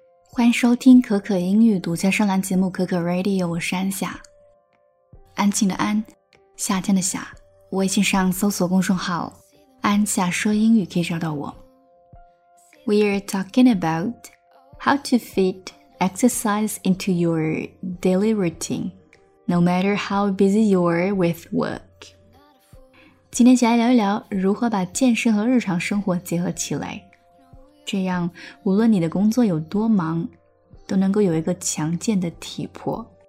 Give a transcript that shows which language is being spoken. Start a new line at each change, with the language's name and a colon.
Chinese: 欢迎收听可可英语独家上栏节目可可 Radio， 我是安夏，安静的安，夏天的夏。微信上搜索公众号安夏说英语可以找到我。
English: We are talking about how to fit exercise into your daily routine no matter how busy you are with work。
Chinese: 今天想来聊一聊如何把健身和日常生活结合起来，这样无论你的工作有多忙，都能够有一个强健的体魄。